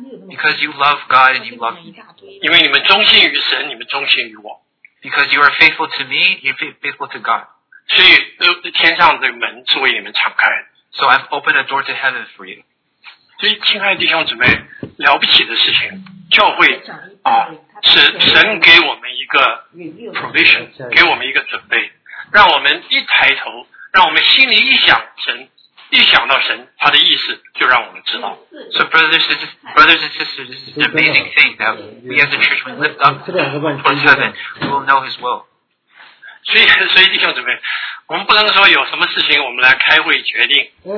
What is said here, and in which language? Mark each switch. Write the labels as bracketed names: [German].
[English] Because you love God and you love me. Because you love God and you love me. Because you are faithful to me, you're faithful to God. [Chinese] 所以天上的门是为你们敞开。 [English] So I've opened a door to heaven for you. [Chinese] 所以亲爱的弟兄姊妹，了不起的事情，教会啊，是神给我们一个 provision， 给我们一个准备，让我们一抬头，让我们心里一想神，一想到神，他的意思就让我们知道。 [English] So brothers and sisters, this is an amazing thing that we as a church we lift up towards heaven, we will know His will. [Chinese] 所以弟兄姊妹，我们不能说有什么事情我们来开会决定。